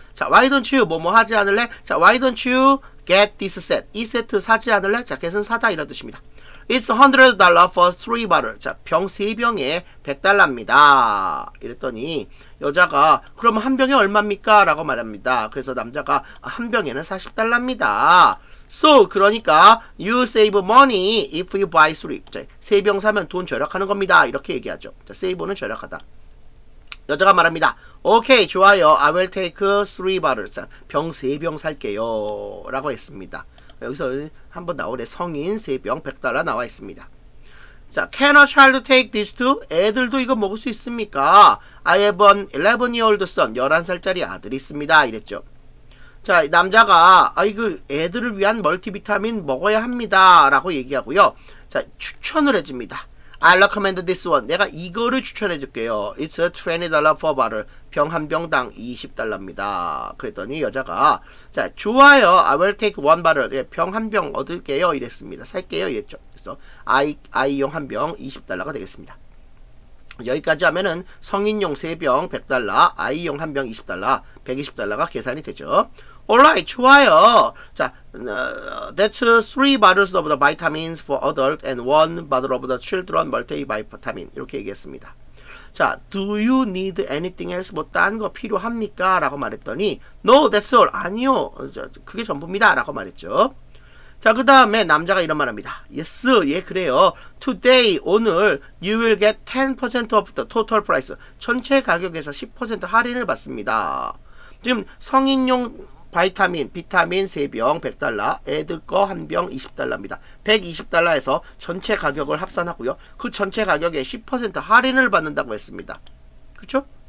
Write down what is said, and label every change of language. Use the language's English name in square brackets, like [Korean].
[English] 자, why don't you [Korean] 뭐뭐 하지 않을래? [English] 자, why don't you get this set? [Korean] 이 세트 사지 않을래? 자, 걔는 사다 이런 뜻입니다. [English] It's $100 for 3 bottles. [Korean] 자, 병 3병에 $100입니다. 이랬더니 여자가 그럼 한 병에 얼마입니까? 라고 말합니다. 그래서 남자가 한 병에는 $40입니다. [English] So, [Korean] 그러니까 [English] you save money if you buy 3. [Korean] 자, 3병 사면 돈 절약하는 겁니다. 이렇게 얘기하죠. 자, save는 절약하다. 여자가 말합니다. [English] Okay, [Korean] 좋아요. [English] I will take 3 bottles. [Korean] 자, 병 3병 살게요. 라고 했습니다. 여기서 한번 나오네. 성인 3병 100달러 나와 있습니다. [English] 자, Can a child take this too? [Korean] 애들도 이거 먹을 수 있습니까? [English] I have an 11-year-old son. [Korean] 11살짜리 아들이 있습니다. 이랬죠. 자, 남자가 아이고 애들을 위한 멀티비타민 먹어야 합니다. 라고 얘기하고요. 자, 추천을 해줍니다. [English] I recommend this one. [Korean] 내가 이거를 추천해 줄게요. [English] It's $20 for a bottle. [Korean] 병 한 병당 $20입니다. 그랬더니 여자가 자 좋아요. [English] I will take one bottle. [Korean] 병 한 병 얻을게요. 이랬습니다. 살게요. 이랬죠. 그래서 아이용 한 병 $20가 되겠습니다. 여기까지 하면은 성인용 3병 $100, 아이용 한 병 $20, $120가 계산이 되죠. [English] Alright, [Korean] 좋아요. [English] 자, that's three bottles of the vitamins for adult and one bottle of the children multivitamin. [Korean] 이렇게 얘기했습니다. [English] 자, do you need anything else? [Korean] 뭐, 딴 거 필요합니까? 라고 말했더니, [English] no, that's all. [Korean] 아니요. 그게 전부입니다. 라고 말했죠. 자, 그 다음에 남자가 이런 말 합니다. [English] Yes, [Korean] 예, 그래요. [English] Today, [Korean] 오늘, [English] you will get 10% of the total price. [Korean] 전체 가격에서 10% 할인을 받습니다. 지금 성인용 비타민 3병 $100, 애들 거 한 병 $20입니다. $120에서 전체 가격을 합산하고요. 그 전체 가격에 10% 할인을 받는다고 했습니다. 그렇죠?